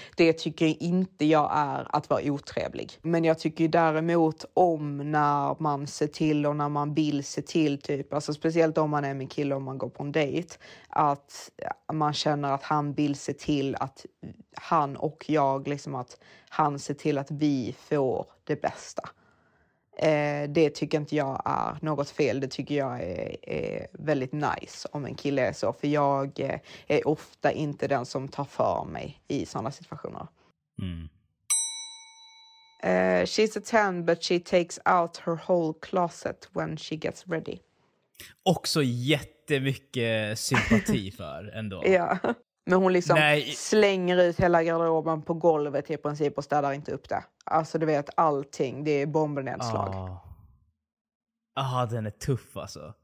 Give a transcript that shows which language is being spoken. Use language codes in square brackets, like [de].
[sv] Det tycker inte jag är att vara otrevlig. Men jag tycker ju däremot om när man ser till och när man vill se till typ, alltså speciellt om man är med kille och man går på en dejt, att man känner att han vill se till att han och jag liksom att han ser till att vi får det bästa. Det tycker inte jag är något fel. Det tycker jag är väldigt nice om en kille är så, för jag är ofta inte den som tar för mig i sådana situationer. [en] She's a 10, but she takes out her whole closet when she gets ready. [sv] Också jättemycket sympati för ändå. Ja. Men hon liksom slänger ut hela garderoben på golvet i princip och städar inte upp det. Alltså du vet, allting, det är bombnedslag. Ja, den är tuff alltså.